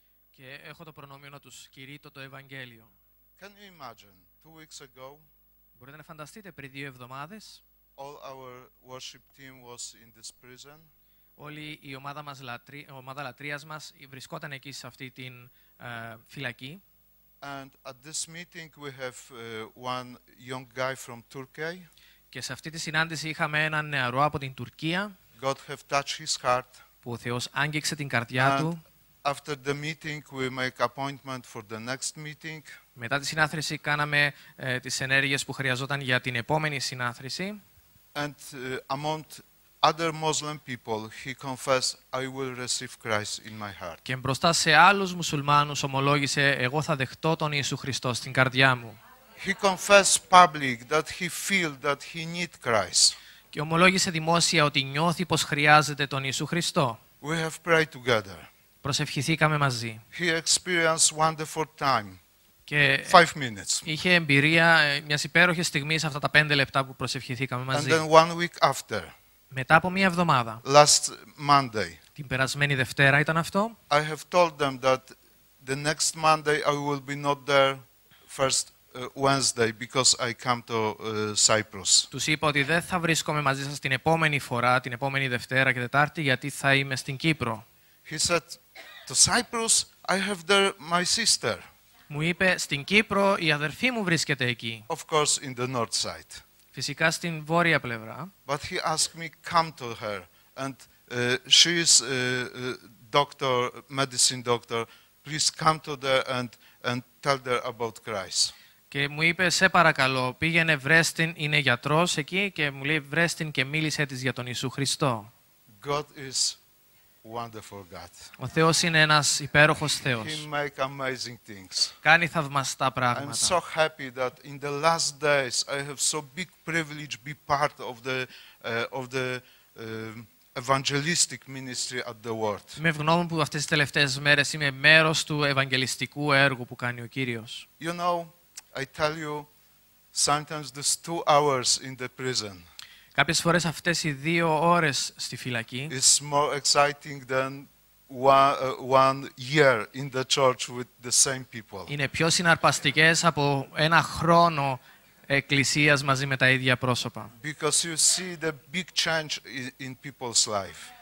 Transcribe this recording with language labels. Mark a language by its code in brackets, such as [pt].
[el] Και έχω το προνόμιο να τους κηρύττω το Ευαγγέλιο. [en] Can you imagine, 2 weeks ago, [el] μπορείτε να φανταστείτε πριν 2 εβδομάδες, [en] all our worship team was in this prison. [el] Όλη η ομάδα μας, ομάδα λατρείας μας βρισκόταν εκεί σε αυτή την φυλακή. [en] And at this meeting we have one young guy from Turkey. [el] Και σε αυτή τη συνάντηση είχαμε έναν νεαρό από την Τουρκία. [en] God have touched his heart. [el] Που ο Θεός άγγιξε την καρδιά του. [en] After the meeting we make appointment for the next meeting. [el] Μετά τη συνάθρηση κάναμε τις ενέργειες που χρειαζόταν για την επόμενη συνάθρηση. [en] And among other Muslim people, he confessed, "I will receive Christ in my heart." [el] Και μπροστά σε άλλους μουσουλμάνους ομολόγησε, "Εγώ θα δεχτώ τον Ιησού Χριστό στην καρδιά μου." [en] He confessed public that he feel that he need Christ. [el] Και ομολόγησε δημόσια ότι νιώθει πως χρειάζεται τον Ιησού Χριστό. [en] We have prayed together. [el] Προσευχηθήκαμε μαζί. [en] He experienced wonderful time. [el] Και είχε εμπειρία μιας υπέροχης στιγμής αυτά τα 5 λεπτά που προσευχηθήκαμε μαζί. [en] And then one week after. [el] Μετά από μία εβδομάδα, [en] last Monday, [el] την περασμένη Δευτέρα ήταν αυτό, [en] I have told them that the next Monday I will be not there first Wednesday because I come to Cyprus. [el] Τους είπα ότι δεν θα βρίσκομαι μαζί σας την επόμενη φορά, την επόμενη Δευτέρα και Τετάρτη, γιατί θα είμαι στην Κύπρο. [en] He said, to Cyprus, I have there my sister. [el] Μου είπε, στην Κύπρο η αδερφή μου βρίσκεται εκεί. [en] Of course, in the north side. [el] Φυσικά στην βόρεια πλευρά. [en] But he asked me come to her and she is doctor, medicine doctor. Please come to there and tell her about Christ. [el] Και μου είπε σε παρακαλώ πήγαινε βρες την, είναι γιατρός εκεί και μου λέει βρες την και μίλησε της για τον Ιησού Χριστό. [en] God is wonderful God. [el] Ο Θεός είναι ένας υπέροχος Θεός. [en] He make amazing things. [el] Κάνει θαυμαστά πράγματα. [en] I'm so happy that in the last days I have so big privilege be part of the evangelistic ministry at the world. [el] Είμαι ευγνώμων που αυτές τις τελευταίες μέρες είμαι μέρος του ευαγγελιστικού έργου που κάνει ο Κύριος. [en] You know, I tell you, sometimes these 2 hours in the prison. [el] Κάποιες φορές αυτές οι 2 ώρες στη φυλακή [en] is more exciting than one year in the church with the same people. [el] Είναι πιο συναρπαστικές από ένα χρόνο εκκλησίας μαζί με τα ίδια πρόσωπα. [en] Because you see the big change in people's life.